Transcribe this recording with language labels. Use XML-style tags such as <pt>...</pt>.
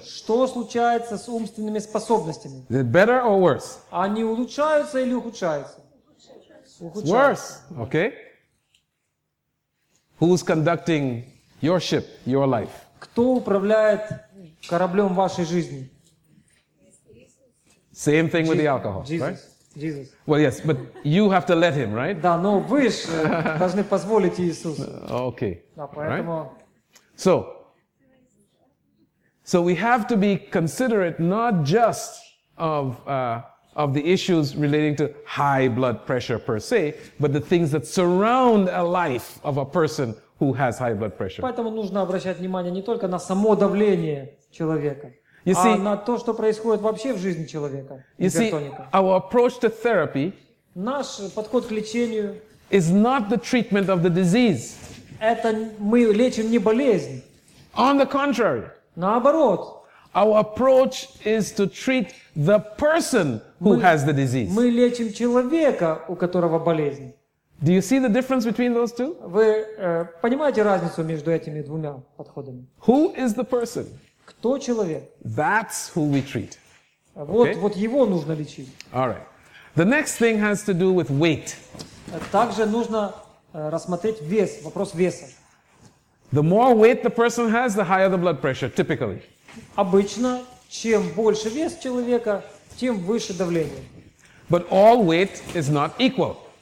<ru>Что случается с умственными способностями?</ru> <en>Is it better or worse?</en> <ru>Они улучшаются или ухудшаются? Ухудшаются.</ru> <en>Worse. Okay. Who's conducting your ship, your life?</en> <ru>Кто управляет кораблем вашей жизни?</ru> <en>Same thing with the alcohol, Jesus. Right? Jesus. Well, yes, but you have to let him, right?</en> <ru>Да, но вы же должны позволить Иисусу.</ru> <en>Okay.</en> <ru>Да, поэтому... Right?</ru> <en>So we have to be considerate not just of the issues relating to high blood pressure per se, but the things that surround a life of a person who has high blood pressure.</en> <ru>Поэтому нужно обращать внимание не только на само давление человека.</ru> <en>You see,</en> <ru>а на то, что происходит вообще в жизни человека, гипертоника.</ru> <en>Our approach to therapy,</en> <ru>наш подход к лечению,</ru> <en>is not the treatment of the disease.</en> <ru>Это мы лечим не болезнь.</ru> <en>On the contrary,</en> <ru>наоборот,</ru> <en>our approach is to treat the person who has the disease.</en> <ru>Мы лечим человека, у которого болезнь.</ru> <en>Do you see the difference between those two?</en> <ru>Вы понимаете разницу между этими двумя подходами?</ru> <en>Who is the person?</en> <ru>Кто человек?</ru> <en>That's who we treat.</en> <ru>Вот, okay? Вот его нужно лечить.</ru> <en>All right. The next thing has to do with weight.</en> <ru>Также нужно рассмотреть вес, вопрос веса.</ru> <en>The more weight the person has, the higher the blood pressure, typically.</en> <ru>Обычно, чем больше вес человека, тем выше давление.</ru> <en>But all weight is not equal.</en>